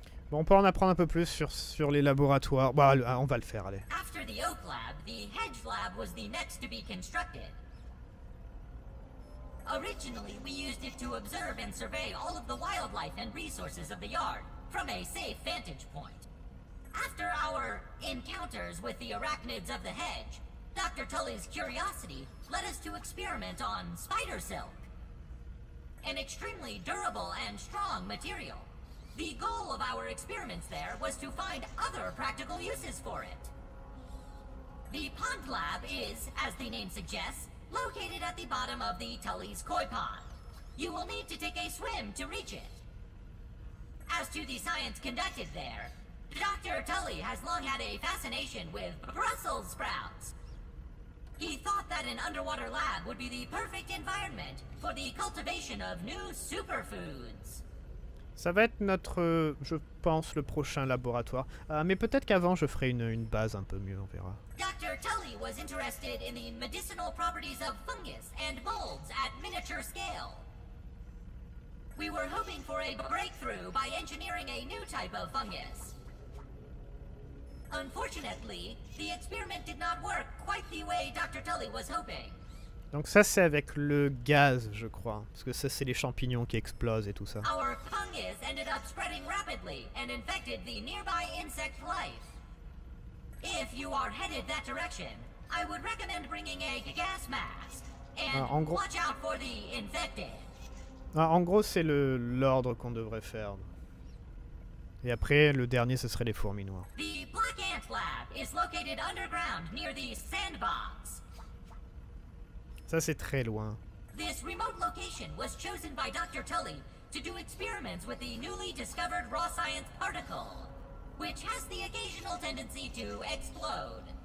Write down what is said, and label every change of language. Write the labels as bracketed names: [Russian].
[French] Bon, on peut en apprendre un peu plus sur les laboratoires. Bah, on va le faire, allez. [English] After the Oak Lab, the Hedge Lab was the next to be constructed. Originally, we used it to observe and survey all of the wildlife and resources of the yard. From a safe vantage point. After our encounters with the arachnids of the hedge, Dr. Tully's curiosity led us to experiment on spider silk. An extremely durable and strong material. The goal of our experiments there was to find other practical uses for it. The pond lab is, as the name suggests, located at the bottom of the Tully's koi pond. You will need to take a swim to reach it. As to the science conducted there, Dr. Tully has long had a fascination with Brussels sprouts. He thought that an underwater lab would be the perfect environment for the cultivation of new superfoods. [French] Ça va être notre, je pense, le prochain laboratoire. Mais peut-être qu'avant, je ferai une base un peu mieux, on verra. [English] Dr. Tully was interested in the medicinal properties of fungus and molds at miniature scale. We were hoping for a breakthrough by engineering a new type of fungus. Unfortunately, the experiment did not work quite the way Dr. Tully was hoping. [French] Donc ça, c'est avec le gaz, je crois. Parce que ça, c'est les champignons qui explosent et tout ça. [English] Our fungus ended up spreading rapidly and infected the nearby insect life. If you are headed that direction, I would recommend bringing a gas mask. And watch out for the infected. [French] En gros, c'est l'ordre qu'on devrait faire. Et après, le dernier, ce serait les fourmis noires. [English] The Black Ant Lab is located underground near the sandbox. [French] Ça, c'est très loin. [English] This remote location was chosen by Dr. Tully to do experiments with the newly discovered raw science particle, which has the occasional tendency to explode.